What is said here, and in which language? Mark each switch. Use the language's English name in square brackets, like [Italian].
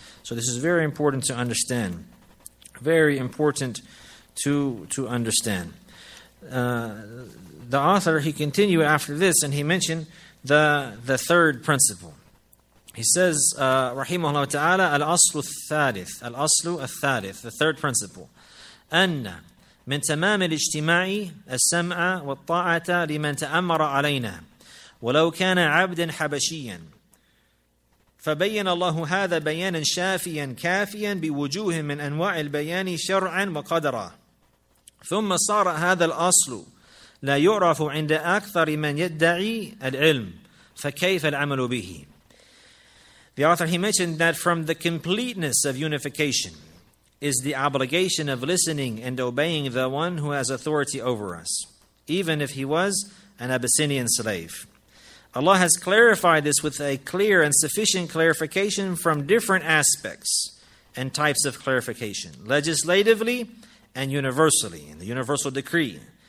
[English] So this is very important to understand. Very important to understand. The author, he continued after this, and he mentioned the third principle. He says, [Arabic] رحمه الله تعالى, الأصل الثالث, [English] the third principle. [Arabic] أَنَّ من تمام الاجتماع السمع والطاعة لمن تأمر علينا ولو كان عبدا حبشيا فبين الله هذا بيانا شافيا كافيا بوجوه من أنواع البيان شرعا وقدرا ثم صار هذا الأصل لا يعرف عند أكثر من يدعي العلم فكيف العمل به. [English] The author, he mentioned that from the completeness of unification is the obligation of listening and obeying the one who has authority over us, even if he was an Abyssinian slave. Allah has clarified this with a clear and sufficient clarification from different aspects and types of clarification, legislatively and universally, in the universal decree.